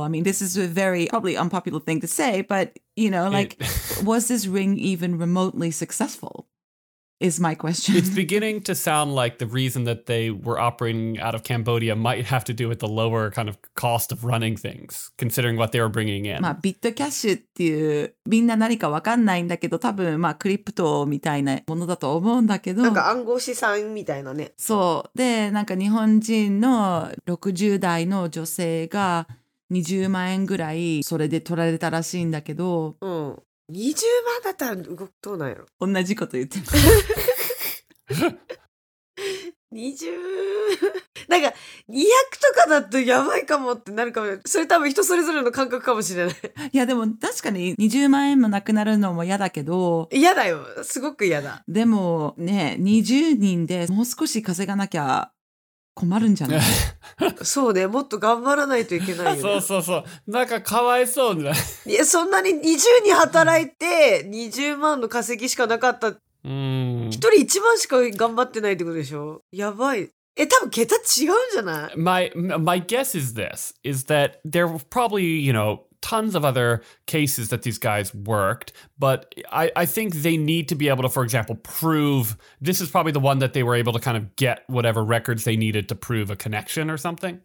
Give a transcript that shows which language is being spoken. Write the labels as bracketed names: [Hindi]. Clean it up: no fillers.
[English] I mean, this is a very probably unpopular thing to say, but you know, like, was this ring even remotely successful? Is my question. It's beginning to sound like the reason that they were operating out of Cambodia might have to do with the lower kind of cost of running things, considering what they were bringing in. [Japanese] まあ、ビットキャッシュっていう、みんな何かわかんないんだけど、多分、まあ、クリプトみたいなものだと思うんだけど。なんか暗号資産みたいなね。そう。で、なんか日本人の60代の女性が20万円ぐらいそれで取られたらしいんだけど。うん。 20万だったら動くどうなんやろ。同じこと言ってる。 20なんか200とかだとやばいかもってなるかも。それ多分人それぞれの感覚かもしれない。いやでも確かに20万円もなくなるのも嫌だけど。嫌だよ、すごく嫌だ。でもね、20人でもう少し稼がなきゃ困るんじゃない。そうね、もっと頑張らないといけないよね。そうそうそう、なんかかわいそうね。いや、そんなに20人働いて20万の稼ぎしかなかった。うーん、 1人1万しか頑張ってないってことでしょ。やばい。え、多分桁違うんじゃない。 [English] My guess is this, is that there were probably, you know, tons of other cases that these guys worked, but I think they need to be able to, for example, prove this is probably the one that they were able to kind of get whatever records they needed to prove a connection or something.